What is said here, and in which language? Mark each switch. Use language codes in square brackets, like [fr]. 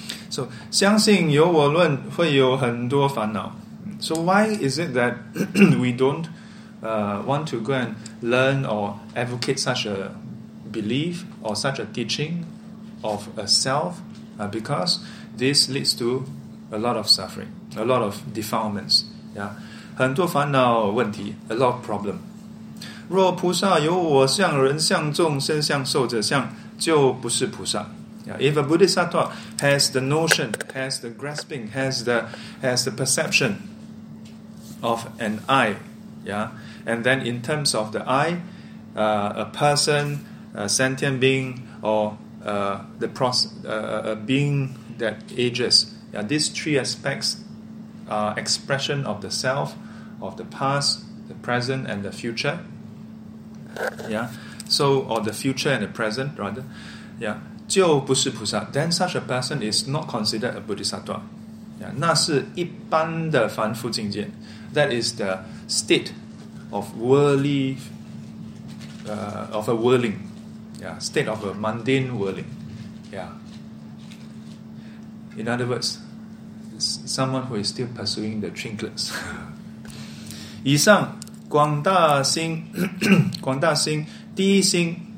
[zh] So, 相信有我论会有很多烦恼. [en] So why is it that we don't want to go and learn or advocate such a belief or such a teaching of a self? Because this leads to a lot of suffering, a lot of defilements. [zh] Yeah, 很多烦恼问题, [en] a lot of problem. [zh] 若菩萨有我相人相众身相受者相，就不是菩萨. [en] Yeah, if a bodhisattva has the notion, has the grasping, has the perception of an I, yeah, and then in terms of the I, a person, a sentient being, or a being that ages, yeah, these three aspects are expression of the self, of the past, the present, and the future. Yeah, so or the future and the present rather, yeah. [zh] 就不是菩萨, [en] then such a person is not considered a bodhisattva. Yeah, [zh] 那是一般的凡夫境界, [en] that is the state of worldly, of a worldling, yeah, state of a mundane worldling. Yeah. In other words, someone who is still pursuing the trinkets. [zh] 以上广大心，广大心，第一心。